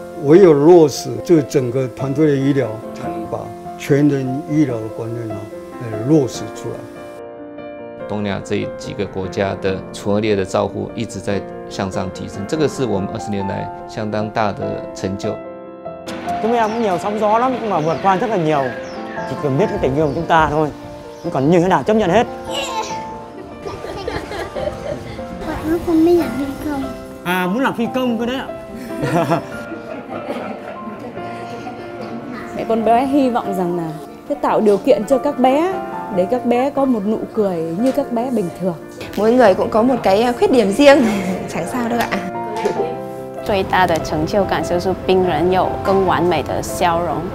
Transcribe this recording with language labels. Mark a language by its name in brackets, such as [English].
[Chinese] 唯有落实这整个团队的医疗，才能把全人医疗的观念来落实出来。东亚这几个国家的唇腭裂的照护一直在向上提升，这个是我们20年来相当大的成就。 [Vietnamese] Chúng em cũng nhiều sóng gió lắm, nhưng mà vượt qua rất là nhiều. Chỉ cần biết cái tình yêu của chúng ta thôi, nhưng còn như thế nào chấp nhận hết. Bạn ước con biết làm phi công. À, muốn làm phi công cơ đấy ạ. Mẹ con bé hy vọng rằng là sẽ tạo điều kiện cho các bé, để các bé có một nụ cười như các bé bình thường. Mỗi người cũng có một cái khuyết điểm riêng, chẳng sao đâu ạ. [Chinese] 最大的成就感就是病人有更完美的笑容，